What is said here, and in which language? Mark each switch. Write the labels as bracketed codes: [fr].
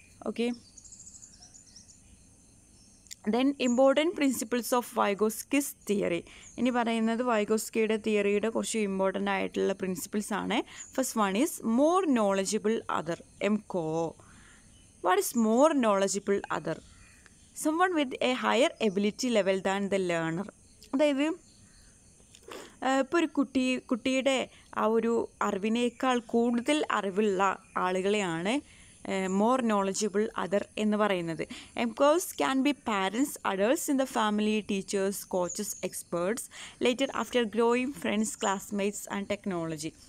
[en] Okay, then important principles of Vygotsky's theory. [ml] ഇനി പറയുന്നത് വൈഗോസ്കിയുടെ തിയറിയുടെ കുറച്ച് ഇമ്പോർട്ടൻ്റ് ആയിട്ടുള്ള പ്രിൻസിപ്പിൾസ് ആണ്. [en] First one is more knowledgeable other, M KO. What is more knowledgeable other? Someone with a higher ability level than the learner. [ml] അതായത് ഇപ്പോൾ ഒരു കുട്ടിയുടെ ആ ഒരു അറിവിനേക്കാൾ കൂടുതൽ അറിവുള്ള ആളുകളെയാണ് മോർ നോളജബിൾ അതർ എന്ന് പറയുന്നത്. [en] MKOs can be parents, adults in the family, teachers, coaches, experts, later after growing friends, classmates and technology.